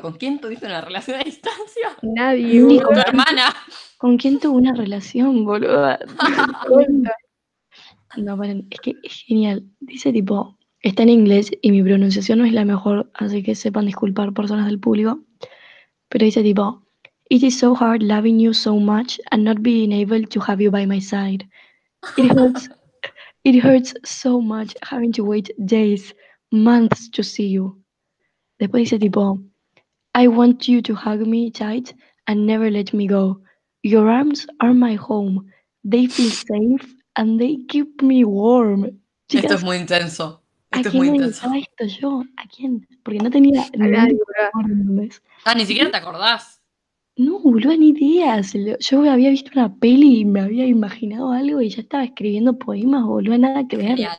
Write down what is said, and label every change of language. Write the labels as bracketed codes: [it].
[es] ¿Con quién tuviste una relación a distancia? Nadie. Ni con tu hermana. ¿Con quién tuvo una relación, boluda? No, paren, es que es genial. Dice, tipo, está en inglés y mi pronunciación no es la mejor, así que sepan disculpar, personas del público. Pero dice, tipo, [en] it is so hard loving you so much and not being able to have you by my side. It hurts so much having to wait days, months to see you. [es] Después dice, tipo, [en] I want you to hug me tight and never let me go. Your arms are my home. They feel safe and they keep me warm. [es] Chicas, esto es muy intenso. ¿A quién me gustaba esto yo? ¿A quién? Porque no tenía nada. Ni siquiera te acordás. No, boludo, ni ideas. Yo había visto una peli y me había imaginado algo y ya estaba escribiendo poemas, boludo, nada que ver.